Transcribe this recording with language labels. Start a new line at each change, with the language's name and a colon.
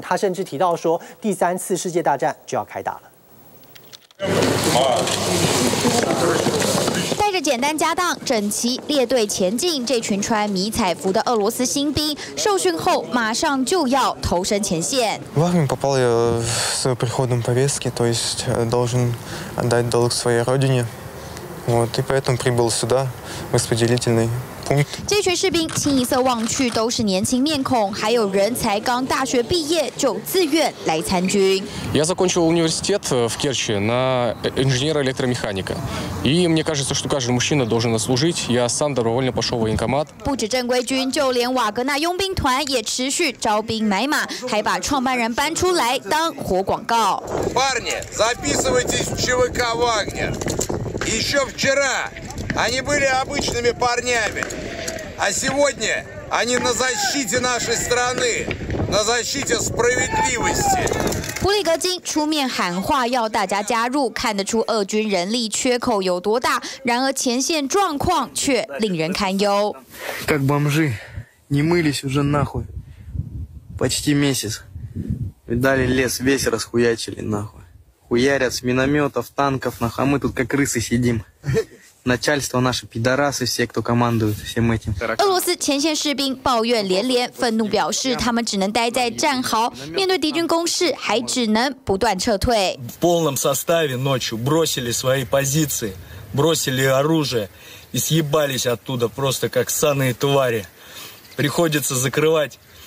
Chinese: 他甚至提到说，第三次世界大战就要开打了。带着简单家当，整齐列队前进，这群穿迷彩服的俄罗斯新兵受训后马上就要投身前线。
Russian: Вагнер попал я в свою приходную повестку, то есть должен отдать долг своей родине. Вот, и поэтому прибыл сюда, распределительный.
Chinese: 这群士兵清一色望去都是年轻面孔，还有人才刚大学毕业就自愿来参军。
Russian: Я закончил университет в Керчи на инженера электромеханика, и мне кажется, что каждый мужчина должен служить. Я сам добровольно пошел в военкомат.
Chinese: 不止正规军，就连瓦格纳佣兵团也持续招兵买马，还把创办人搬出来当活广告。
Russian: Парни, записывайтесь в ЧВК Вагнер. Еще вчера. Они были обычными парнями, а сегодня они на защите нашей страны, на защите справедливости.
Chinese: 普里格金出面喊话要大家加入，看得出俄军人力缺口有多大，然而前线状况却令人堪忧。
Russian: Как бомжи, не мылись уже нахуй, почти месяц, видали лес весь расхуячили нахуй, хуярят с минометов, танков нахуй, а мы тут как крысы сидим. Начальство наши пидорасы, все, кто командует всем этим.
Chinese: 俄罗斯前线士兵抱怨连连，愤怒表示他们只能待在战壕，面对敌军攻势，还只能不断撤退。
Russian: В полном составе ночью бросили свои позиции, бросили оружие и съебались оттуда просто как ссаные твари. Приходится закрывать